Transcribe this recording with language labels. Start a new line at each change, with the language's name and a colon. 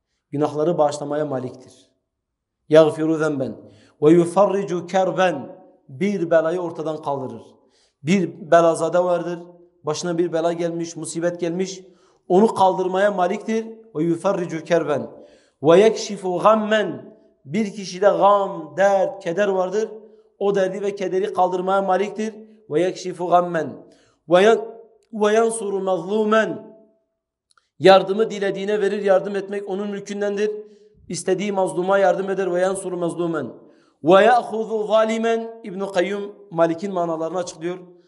Turkish: Günahları bağışlamaya maliktir.
Arabic: يَغْفِرُ ذَنْبًا وَيُفَرِّجُ كَرْبًا
Turkish: Bir belayı ortadan kaldırır. Bir belazade vardır. Başına bir bela gelmiş, musibet gelmiş. Onu kaldırmaya maliktir.
Arabic: وَيُفَرِّجُ كَرْبًا وَيَكْشِفُ غَمَّنْ
Turkish: Bir kişide gam, dert, keder vardır. O derdi ve kederi kaldırmaya maliktir.
Arabic: وَيَكْشِفُ غَمَّنْ وَيَنْصُرُ مَظْلُومًا
Turkish: Yardımı dilediğine verir. Yardım etmek onun mülkündendir. İstediği mazluma yardım eder.
Arabic: وَيَنْصُرُ مَظْلُومًا وَيَأْخُذُ ظَالِمًا
Turkish: İbn-i Kayyum Malik'in manalarını açıklıyor.